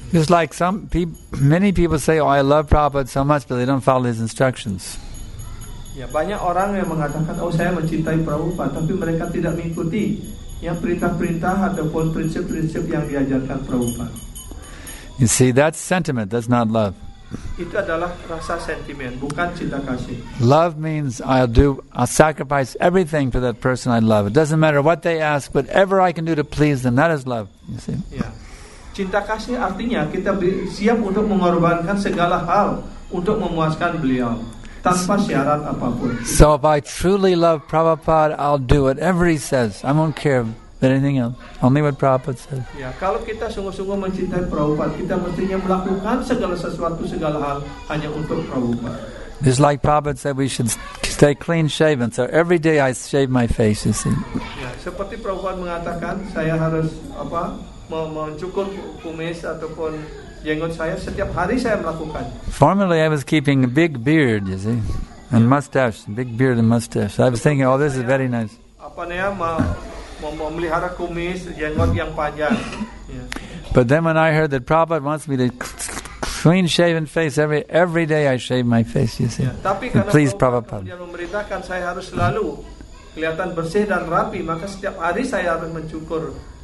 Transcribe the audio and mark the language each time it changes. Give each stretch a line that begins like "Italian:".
English: Just like many people say, "Oh, I love Prabhupada so much," but they don't follow his instructions.
Indonesian: Ya, banyak orang yang mengatakan, "Oh, saya mencintai Prabhupada," tapi mereka tidak mengikuti yang perintah-perintah ataupun prinsip-prinsip yang diajarkan Prabhupada.
English: You see, that's sentiment. That's not love.
Indonesian: Itu adalah rasa sentimen, bukan cinta kasih.
English: Love means I'll sacrifice everything for that person I love. It doesn't matter what they ask, whatever I can do to please them. That is love. You see?
Indonesian: Yeah. Cinta kasih artinya kita siap untuk mengorbankan segala hal untuk memuaskan beliau tanpa syarat apapun.
English: So if I truly love Prabhupada, I'll do whatever he says. I won't care about anything else. Only what Prabhupada says.
Indonesian: Ya, kalau kita sungguh-sungguh mencintai Prabhupada, kita mestinya melakukan segala sesuatu, segala hal hanya untuk Prabhupada.
English: Just like Prabhupada said, we should stay clean shaven. So every day I shave my face, you see.
Indonesian: Ya, seperti Prabhupada mengatakan, saya harus apa? Mencukur kumis ataupun jenggot saya setiap hari saya melakukan.
English: Formerly I was keeping a big beard, you see, and mustache, big beard and mustache. So I was thinking, "Oh, this is very nice."
Indonesian: Apa nih ya, memelihara kumis, jenggot yang panjang.
English: But then when I heard that Prabhupada wants me to clean shaven face every day, I shave my face, you see.
Indonesian: Tapi karena please Prabhupada. Dia memerintahkan saya harus selalu kelihatan bersih dan rapi, maka setiap hari saya harus mencukur.